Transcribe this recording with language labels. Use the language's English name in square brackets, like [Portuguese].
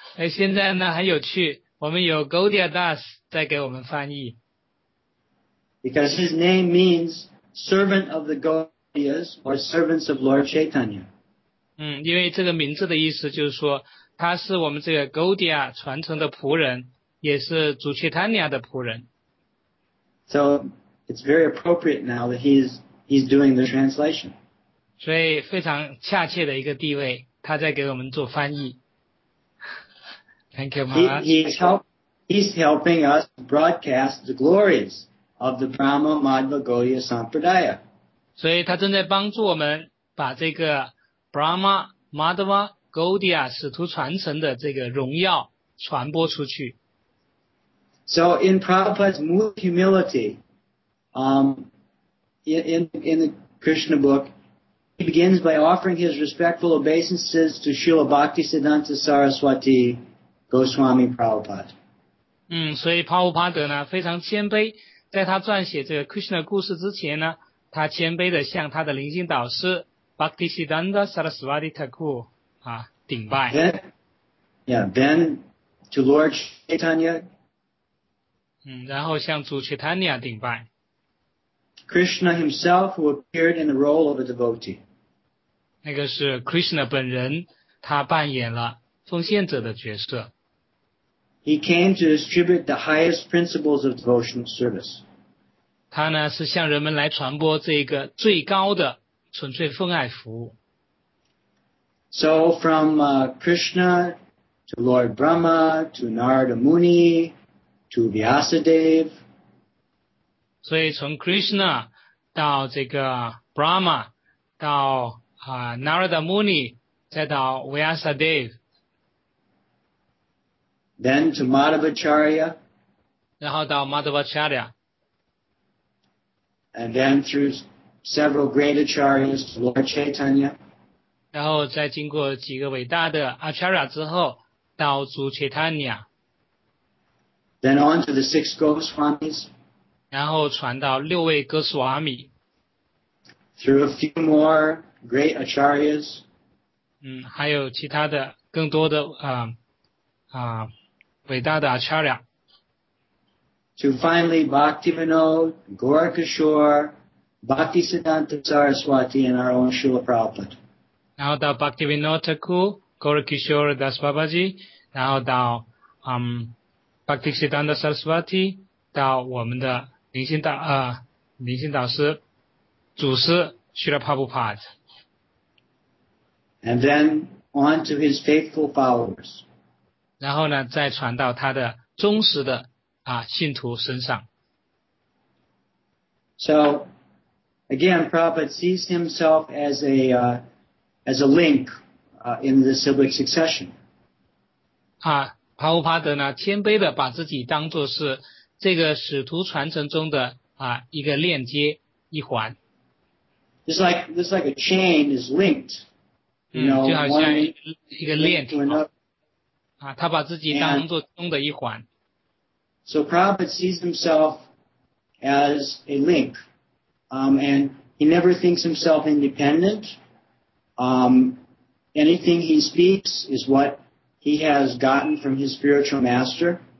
[Chinese] 现在呢很有趣，我们有 Gaudiya Das 在给我们翻译。 [English] Because his name means servant of the Gaudiyas or servants of Lord Chaitanya. [Chinese] 因为这个名字的意思就是说他是我们这个 Gaudiya 传承的仆人，也是主 Chaitanya 的仆人。 [English] So it's very appropriate now that he's doing the translation. [Chinese] 所以非常恰切的一个地位，他在给我们做翻译。 [English] Thank you, Maharaj. He's helping us broadcast the glories of the Brahma Madhva Gaudiya Sampradaya. [Chinese] 所以他正在帮助我们把这个 Brahma Madhva. Gaudiya 使徒传承的这个荣耀传播出去。 [English] So in Prabhupada's mood humility, in the Krishna book, he begins by offering his respectful obeisances to Srila Bhakti Siddhanta Saraswati Goswami Prabhupada. [Chinese] 所以帕乌帕德呢非常谦卑，在他撰写这个 Krishna 故事之前呢，他谦卑的向他的灵性导师 Bhakti Siddhanta Saraswati Thakur顶拜。 [English] Then to Lord Chaitanya. [Chinese] 然后向主 Chaitanya 顶拜。 [English] Krishna himself who appeared in the role of a devotee. [Chinese] 那个是 Krishna 本人，他扮演了奉献者的角色。 [English] He came to distribute the highest principles of devotional service. [Chinese] 他呢是向人们来传播这个最高的纯粹奉爱服务。 [English] So from Krishna to Lord Brahma to Narada Muni to Vyasadev. [Chinese] 所以从 Krishna 到这个 Brahma 到Narada Muni 再到 Vyasadev. [English] Then to Madhavacharya. [Chinese] 然后到 Madhavacharya. [English] And then through several great Acharyas to Lord Chaitanya. [Chinese] 然后再经过几个伟大的 Acharya 之后到主 Chaitanya. [English] Then on to the six Goswamis. [Chinese] 然后传到六位 Goswami. [English] Through a few more great Acharyas. [Chinese] 还有其他的更多的伟大的 Acharya. [English] To finally Bhaktivinod, Gaurakishore, Bhakti Siddhanta Saraswati and our own Srila Prabhupada. [Chinese] 然后到 Bhaktivinoda Thakur, Gaurakishore Das Babaji, 然后到Bhakti Siddhanta Saraswati, 到我们的灵性导师祖师 Srila Prabhupada. [English] And then on to his faithful followers. [Chinese] 然后呢再传到他的忠实的啊信徒身上。 [English] So again, Prabhupada sees himself as a link in the civic succession. [Chinese] 啊，帕乌帕德呢谦卑的把自己当作是这个使徒传承中的啊一个链接一环。 [English] Just like a chain is linked, you know, [Chinese] 就好像一个链条。啊，他把自己当作中的一环。 [English] So Prabhupada sees himself as a link, and he never thinks himself independent. Anything he speaks is what he has gotten from his spiritual master.